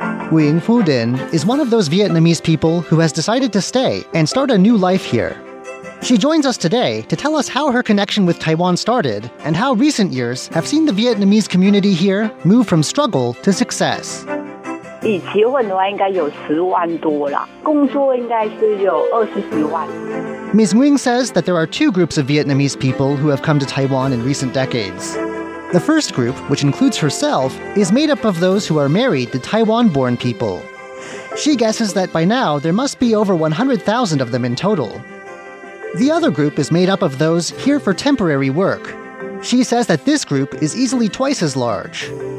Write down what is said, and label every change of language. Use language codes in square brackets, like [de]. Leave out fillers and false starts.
[en] Nguyen Phu Dinh is one of those Vietnamese people who has decided to stay and start a new life here. She joins us today to tell us how her connection with Taiwan started and how recent years have seen the Vietnamese community here move from struggle to success. [zh] 以结婚的话应该有十万多啦，工作应该是有二十几万。 [en] Ms. Nguyen says that there are two groups of Vietnamese people who have come to Taiwan in recent decades. The first group, which includes herself, is made up of those who are married to Taiwan-born people. She guesses that by now there must be over 100,000 of them in total. The other group is made up of those here for temporary work. She says that this group is easily twice as large.